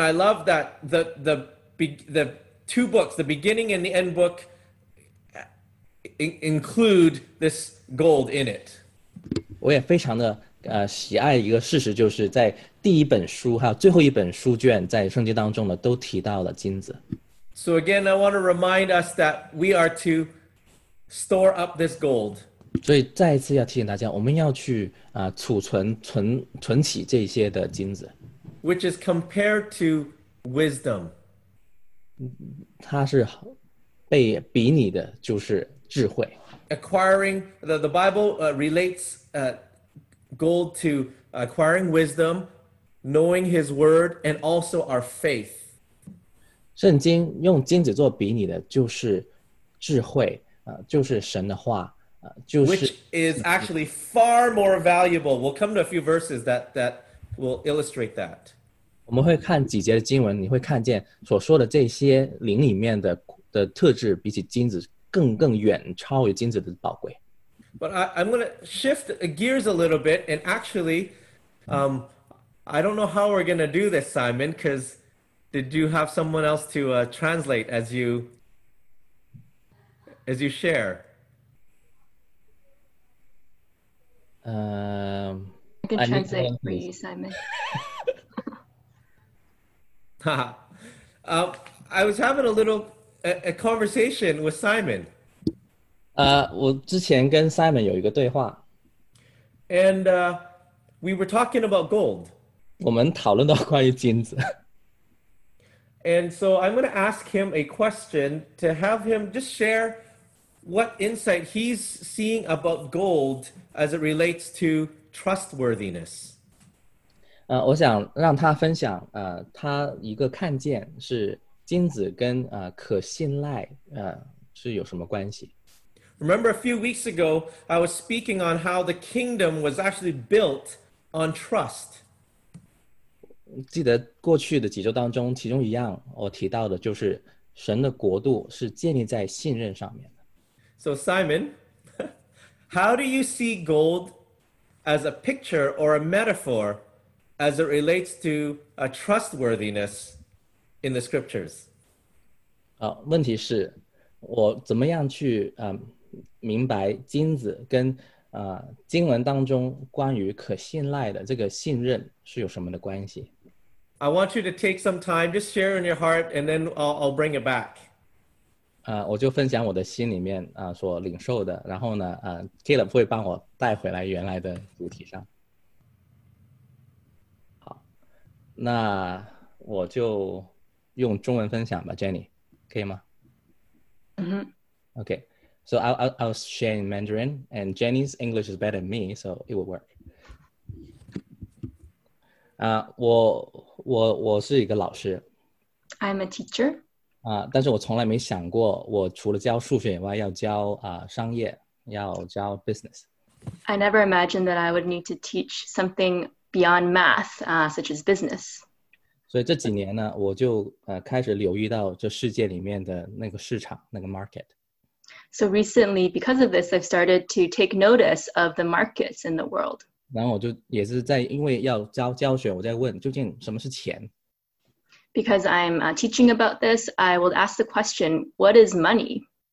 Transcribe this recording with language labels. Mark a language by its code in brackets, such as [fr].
[en] I love that the two books, the beginning and the end book, include this gold in it. [zh] 我也非常的喜爱一个事实，就是在 第一本书还有最后一本书卷在圣经当中呢，都提到了金子。So [en] again, I want to remind us that we are to store up this gold. [zh] 所以再一次要提醒大家，我们要去储存存起这些的金子。 [en] Which is compared to wisdom. [zh] 它是被比拟的就是智慧。 [en] Acquiring the Bible relates gold to acquiring wisdom, knowing His word, and also our faith. [zh] 圣经用金子做比拟的就是智慧，就是神的话。 [en] Which is actually far more valuable. We'll come to a few verses that will illustrate that. [zh] 我们会看几节的经文，你会看见所说的这些灵里面的特质，比起金子更远超于金子的宝贵。 [en] But I'm going to shift gears a little bit, and actually, I don't know how we're going to do this, Simon, because did you have someone else to translate as you share? I can translate for you, Simon. I was having a little conversation with Simon. [zh] 我之前跟 Simon 有一个对话。 [en] And we were talking about gold. [zh] 我们讨论到关于金子。 [en] And so I'm going to ask him a question to have him just share what insight he's seeing about gold as it relates to trustworthiness. [zh] 我想让他分享他一个看见是金子跟可信赖是有什么关系。 [en] Remember a few weeks ago, I was speaking on how the kingdom was actually built on trust. [zh] 记得过去的几周当中，其中一样我提到的就是神的国度是建立在信任上面的。 [en] So Simon, how do you see gold as a picture or a metaphor as it relates to a trustworthiness in the scriptures? [zh] 问题是，我怎么样去明白金子跟经文当中关于可信赖的这个信任是有什么的关系。 [en] I want you to take some time, just share in your heart, and then I'll bring it back. [zh] 我就分享我的心里面所领受的，然后呢Caleb 会帮我带回来原来的主题上。好，那我就用中文分享吧 ，Jenny， 可以吗？嗯哼，OK。 [en] So I'll share in Mandarin, and Jenny's English is better than me, so it will work. [zh] 我是一个老师。 [en] I'm a teacher. [zh] 但是我从来没想过，我除了教数学以外，要教商业，要教 business. [en] I never imagined that I would need to teach something beyond math, such as business. [zh] 所以这几年呢，我就开始留意到这世界里面的那个市场，那个 market。 [en] So recently, because of this, I've started to take notice of the markets in the world. [zh] 然后我就也是在因为要教学，我在问究竟什么是钱。 [en] Because I'm teaching about this, I will ask the question, "What is money?"